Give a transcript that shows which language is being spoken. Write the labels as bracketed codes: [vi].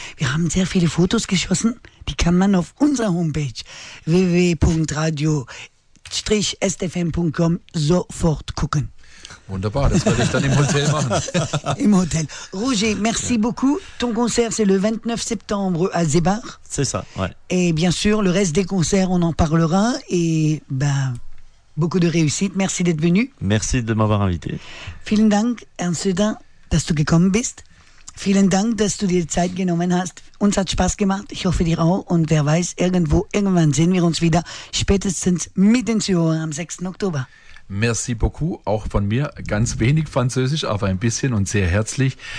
[de] Wir haben sehr viele Fotos geschossen, die kann man auf unserer Homepage www.radio-stfm.com sofort gucken. Wunderbar, das werde ich dann im Hotel machen. Im Hotel. Roger, [fr] merci beaucoup. Ton concert, c'est le 29 septembre à Zébar. C'est ça, ouais. Et bien sûr, le reste des concerts, on en parlera. Et ben, beaucoup de réussite. Merci d'être venu. Merci de m'avoir invité. [de] Vielen Dank, Ernst, dass du gekommen bist. Vielen Dank, dass du dir Zeit genommen hast. Uns hat Spaß gemacht. Ich hoffe dir auch. Und wer weiß, irgendwo, irgendwann sehen wir uns wieder. Spätestens mit den Zuhörern am 6. Oktober. [fr] Merci beaucoup. [de] Auch von mir ganz wenig Französisch, aber ein bisschen und sehr herzlich.